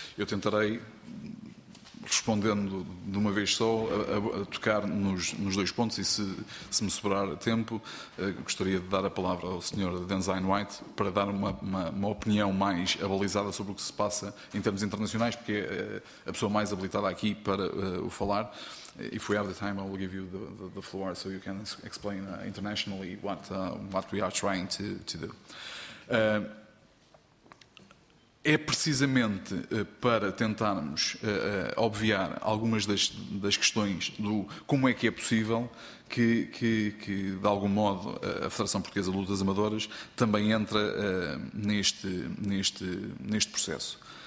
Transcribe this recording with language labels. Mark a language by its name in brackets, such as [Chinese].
[Portuguese] Eu tentarei, respondendo de uma vez só, a tocar nos dois pontos e, se me sobrar tempo, gostaria de dar a palavra ao Sr. Denzine White para dar uma opinião mais abalizada sobre o que se passa em termos internacionais, porque é a pessoa mais habilitada aqui para o falar. [English] If we have the time, I will give you the floor so you can explain internationally what we are trying to do. [Portuguese] É precisamente para tentarmos obviar algumas das questões do como é que é possível que de algum modo, a Federação Portuguesa de Lutas Amadoras também entra neste processo.